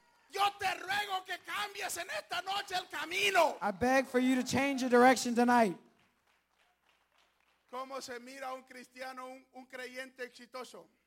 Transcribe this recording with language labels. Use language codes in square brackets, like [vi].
[es] Yo te ruego que cambies en esta noche el camino. [en] I beg for you to change your direction tonight. [es] ¿Cómo se mira un cristiano, un creyente exitoso?